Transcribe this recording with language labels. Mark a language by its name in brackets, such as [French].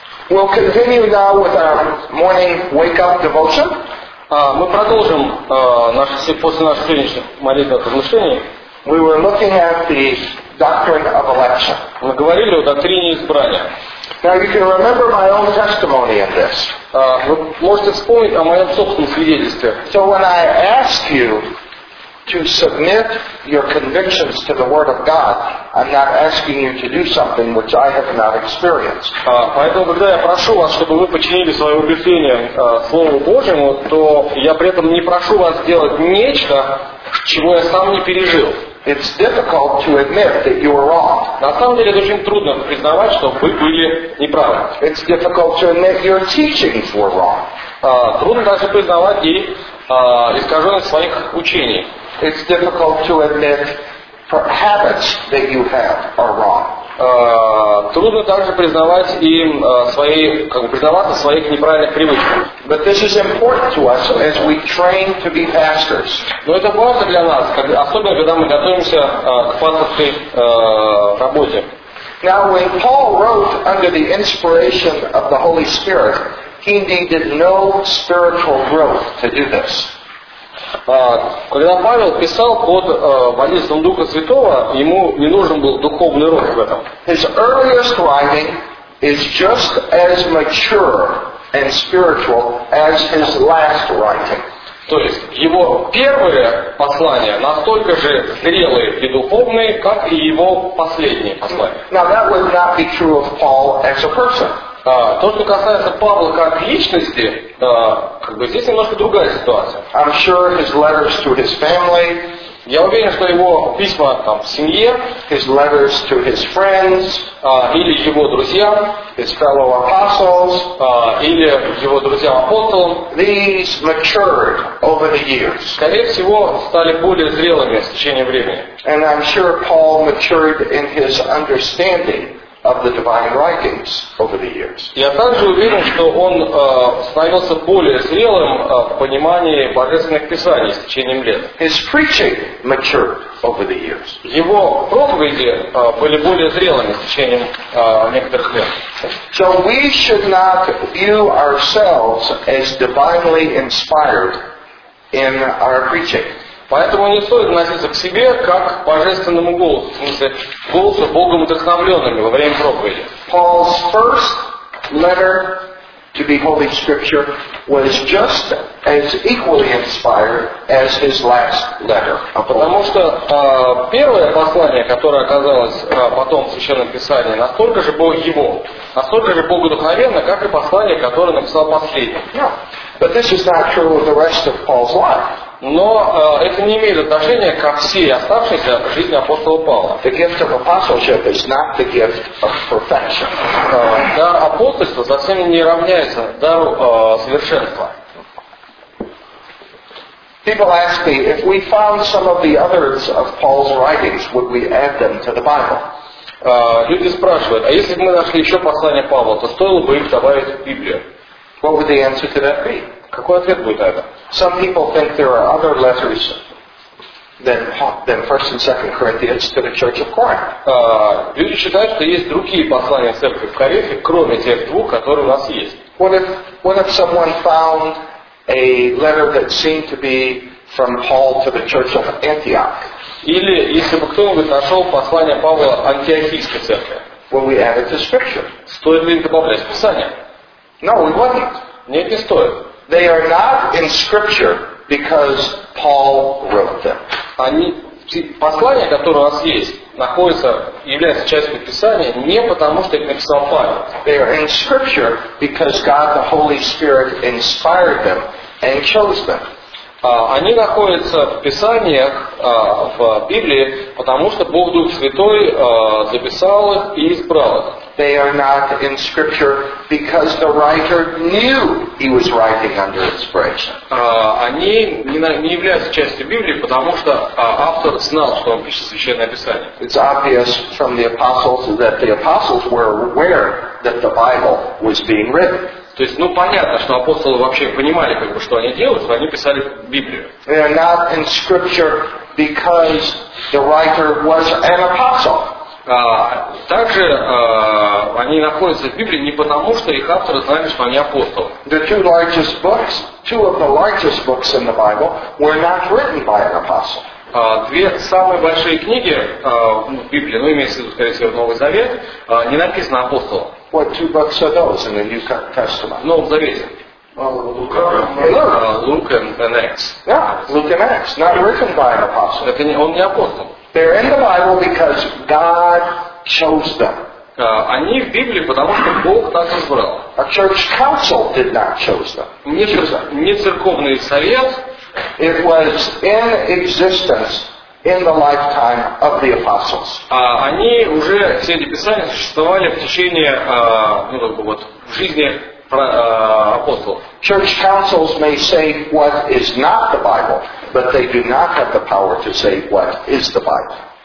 [English] We'll continue now with our morning wake-up devotion. [Russian] Мы продолжим после наших сегодняшних молитвенных размышлений. [English] We were looking at the doctrine of election. [Russian] Мы говорили о доктрине избрания. [English] Now you can remember my own testimony in this. [Russian] Вы можете вспомнить о моем собственном свидетельстве. [English] So when I ask you to submit your convictions to the Word of God, I'm not asking you to do something which I have not experienced. [Russian] Поэтому, когда я прошу вас, чтобы вы подчинили свое убеждение Слову Божьему, то я при этом не прошу вас сделать нечто, чего я сам не пережил. [English] It's difficult to admit that you were wrong. [Russian] На самом деле, это очень трудно признавать, что вы были неправы. [English] It's difficult to admit your teachings were wrong. [Russian] Трудно даже признавать и искаженность своих учений. [English] It's difficult to admit habits that you have are wrong. [Russian] Трудно также признавать им свои, как бы признаваться в своих неправильных привычках. [English] But this is important to us as we train to be pastors. [Russian] Но это важно для нас, особенно когда мы готовимся к пасторской работе. [English] Now, when Paul wrote under the inspiration of the Holy Spirit, he needed no spiritual growth to do this. [Russian] Когда Павел писал под водительством Духа Святого, ему не нужен был духовный рост в этом. [English] His earliest writing is just as mature and spiritual as his last writing. [Russian] То есть его первое послание настолько же зрелое и духовное, как и его последнее послание. [English] Now that would not be true of Paul as a person. [Russian] То, что касается Павла как личности, как бы здесь немножко другая ситуация. [English] I'm sure his letters to his family, [Russian] я уверен, что его письма там, в семье, [English] his letters to his friends, [Russian] или его друзьям, [English] his fellow apostles, [Russian] или его друзьям-апостолам, [English] these matured over the years. [Russian] Скорее всего, стали более зрелыми с течением времени. [English] And I'm sure Paul matured in his understanding of the divine writings over the years. [Russian] Я также уверен, что он становился более зрелым в понимании божественных писаний с течением лет. [English] His preaching matured over the years. [Russian] Его проповеди были более зрелыми с течением некоторых лет. [English] So we should not view ourselves as divinely inspired in our preaching. [Russian] Поэтому не стоит относиться к себе как к божественному голосу, в смысле, голосу Богом вдохновленными во время проповеди. [English] Paul's first letter to the Holy Scripture was just as equally inspired as his last letter. [Russian] Потому что первое послание, которое оказалось потом в Священном Писании, настолько же было его, настолько же богодухновенно, как и послание, которое написал последним. [English] But this is not true of the rest of Paul's life. [Russian] Но это не имеет отношения ко всей оставшейся жизни апостола Павла. [English] The gift of apostleship is not the gift of perfection. [Russian] Дар апостольства совсем не равняется дару совершенства. [English] People ask me, if we found some of the others of Paul's writings, would we add them to the Bible? [Russian] Люди спрашивают, а если бы мы нашли еще послание Павла, то стоило бы их добавить в Библию? [English] What would the answer to that be? [Russian] Какой ответ будет на это? [English] Some people think there are other letters than 1 and 2 Corinthians to the Church of Corinth. [Russian] Люди считают, что есть другие послания церкви в Коринфе, кроме тех двух, которые у нас есть. [English] What if someone found a letter that seemed to be from Paul to the Church of Antioch? [Russian] Или если бы кто-нибудь нашел послание Павла Антиохийской церкви? [English] Would we add it to Scripture? [Russian] Стоит ли им добавлять в Писание? [English] No, we wouldn't. [Russian] Нет, не стоит. [English] They are not in Scripture because Paul wrote them. [Russian] Они, послание, которое у нас есть, находится, является частью Писания не потому, что их написал Павел. [English] They are in Scripture because God the Holy Spirit inspired them and chose them. [Russian] Они находятся в Писаниях, в Библии, потому что Бог Дух Святой записал их и избрал их. [English] They are not in Scripture because the writer knew he was writing under inspiration. [Russian] Они не являются частью Библии, потому что автор знал, что он пишет Священное Писание. [English] It's obvious from the apostles that the apostles were aware that the Bible was being written. [Russian] То есть, ну понятно, что апостолы вообще понимали, как бы, что они делают, что они писали Библию. [English] They are not in Scripture because the writer was an apostle. [Russian] Также они находятся в Библии не потому, что их авторы знали, что они апостолы. [English] The two largest books, two of the largest books in the Bible, were not written by an apostle. [Russian] Две самые большие книги в Библии, ну, имеется в виду, скорее всего, Новый Завет, не написаны апостолом. [English] What two books are those in the New Testament? [Russian] В Новом Завете. Luke and Acts. [English] Yeah, Luke and Acts, not written by an apostle. [Russian] Это не, он не апостол. [English] They're in the Bible because God chose them. [Russian] Они в Библии, потому что Бог так избрал. [English] A church council did not choose them. [Russian] Не церковный совет. [English] It was in existence in the lifetime of the apostles. [Russian] Они уже все эти писания существовали в течение, ну как бы вот в жизни апостолов. [English] Church councils may say what is not the Bible, but they do not have the power to say what is the Bible.